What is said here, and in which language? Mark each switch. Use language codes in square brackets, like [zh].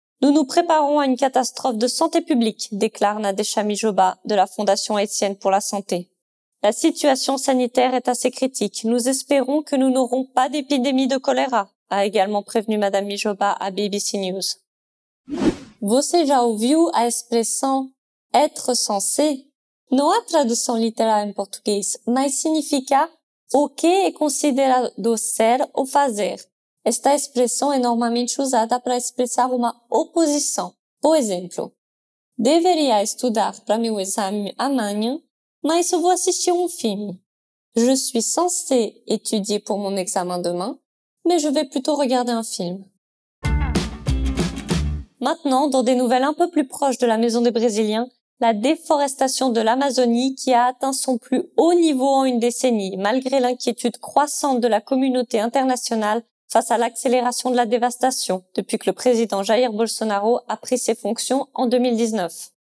[fr] Nous nous préparons à une catastrophe de santé publique, déclare Nadesha Mijoba de la Fondation Haïtienne pour la Santé. La situation sanitaire est assez critique. Nous espérons que nous n'aurons pas d'épidémie de choléra, a également prévenu Madame Mijoba à BBC News. [pt] Você já ouviu a expressão être censé? Não há tradução literal em português, mas significa o que é considerado ser ou fazer. Esta expressão é normalmente usada para expressar uma oposição. Por exemplo, deveria estudar para meu exame amanhã, mas vou assistir um filme. [fr] Je suis censé étudier pour mon examen demain, mais je vais plutôt regarder un film. Maintenant, dans des nouvelles un peu plus proches de la maison des Brésiliens, la déforestation de l'Amazonie qui a atteint son plus haut niveau en une décennie, malgré l'inquiétude croissante de la communauté internationale face à l'accélération de la dévastation depuis que le président Jair Bolsonaro a pris ses fonctions en 2019.